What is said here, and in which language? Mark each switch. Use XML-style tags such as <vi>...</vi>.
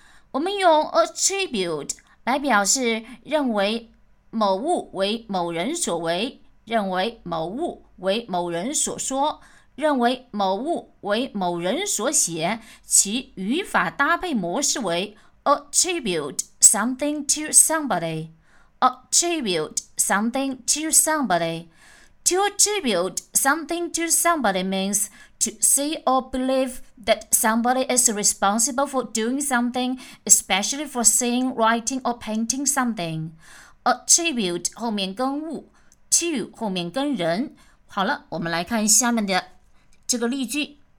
<zh>我们用 attribute来表示认为某物为某人所为，认为某物为某人所说，认为某物为某人所写，其语法搭配模式为 attribute something to somebody, attribute something to somebody.</zh> <en>To attribute something to somebody means to see or believe that somebody is responsible for doing something, especially for seeing, writing, or painting something.</en> <zh>Attribute 后面跟物， to 后面跟人。好了，我们来看下面的这个例句。</zh>